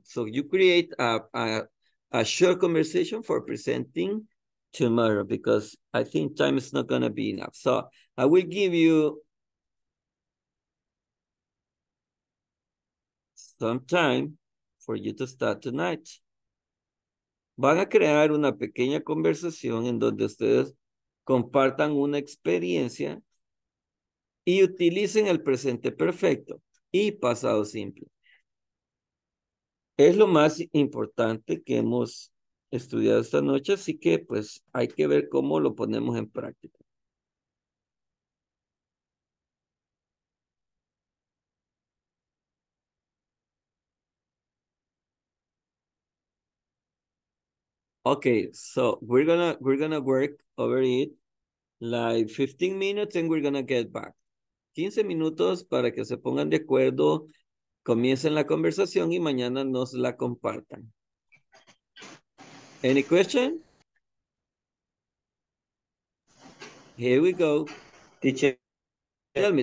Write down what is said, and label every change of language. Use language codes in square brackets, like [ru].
[en] So you create a short conversation for presenting tomorrow, because I think time is not going to be enough. So I will give you some time for you to start tonight. [es] Van a crear una pequeña conversación en donde ustedes compartan una experiencia y utilicen el presente perfecto y pasado simple. Es lo más importante que hemos estudiado esta noche, así que pues hay que ver cómo lo ponemos en práctica. [en] Okay, so we're gonna work over it like 15 minutes and we're gonna get back. [es] 15 minutos para que se pongan de acuerdo, comiencen la conversación y mañana nos la compartan. [en] Any question? Here we go. Teacher, tell me.